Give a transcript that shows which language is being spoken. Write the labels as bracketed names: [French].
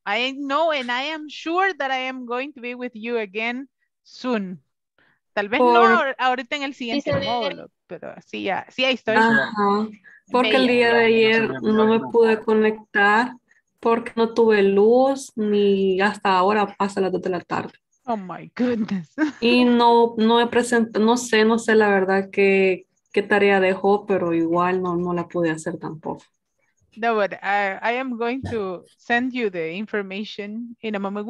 [English] I know, and I am sure that I am going to be with you again soon. [Spanish] Tal vez no ahorita en el siguiente sí módulo, pero sí, ya, sí, ahí estoy. Ajá. Porque el día de ayer no me pude conectar porque no tuve luz ni hasta ahora pasa las 2 de la tarde. [English] Oh my goodness. [Spanish] Y no he presentado, no sé la verdad qué tarea dejó, pero igual no la pude hacer tampoco. [English] No, but I am going to send you the information in a moment.